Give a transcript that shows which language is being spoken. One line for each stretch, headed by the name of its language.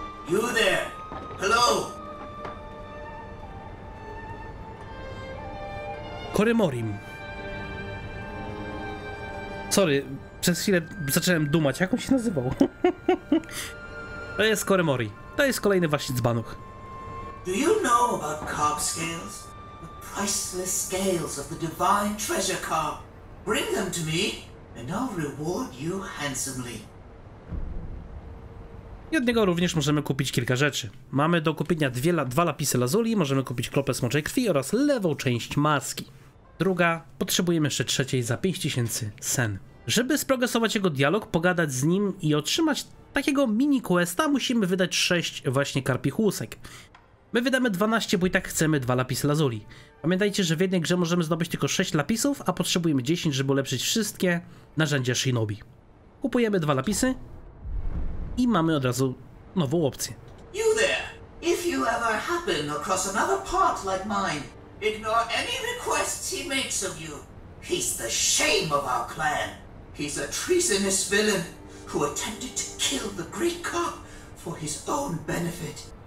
English: You there! Hello! Koremorim. Sorry.
Polish: Przez chwilę zacząłem dumać, jak on się nazywał. To jest Koremori. To jest kolejny właśnie dzbanuch.
English: Do you know about Cobb scales? The priceless scales of the divine treasure Cobb. Bring them to me and I'll reward you handsomely.
Polish: I od niego również możemy kupić kilka rzeczy. Mamy do kupienia dwa lapisy lazuli, możemy kupić klopę smoczej krwi oraz lewą część maski. Druga, potrzebujemy jeszcze trzeciej za 5000 sen. Żeby sprogresować jego dialog, pogadać z nim i otrzymać takiego mini questa, musimy wydać 6 właśnie karpich łusek. My wydamy 12, bo i tak chcemy 2 lapisy lazuli. Pamiętajcie, że w jednej grze możemy zdobyć tylko 6 lapisów, a potrzebujemy 10, żeby ulepszyć wszystkie narzędzia Shinobi. Kupujemy 2 lapisy i mamy od razu nową opcję.
English: You there! If you ever happen across another part like mine, ignore any requests he makes of you. He's the shame of our clan. He's a treasonous villain who attempted to kill the great cop for his own benefit.